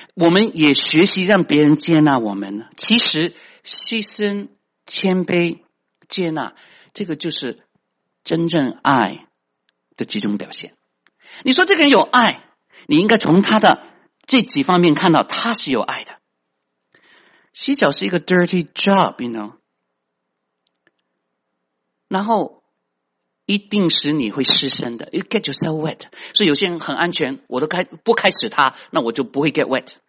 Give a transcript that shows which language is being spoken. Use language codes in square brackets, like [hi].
[zh] 我们也学习让别人接纳我们呢？其实牺牲、谦卑、接纳，这个就是真正爱的几种表现。你说这个人有爱，你应该从他的这几方面看到他是有爱的。洗脚是一个 [en] dirty job, you know? [zh] 然后一定使你会失身的， [en] you get yourself wet. [zh] 所以有些人很安全，我都不开始他，那我就不会 [en] get wet.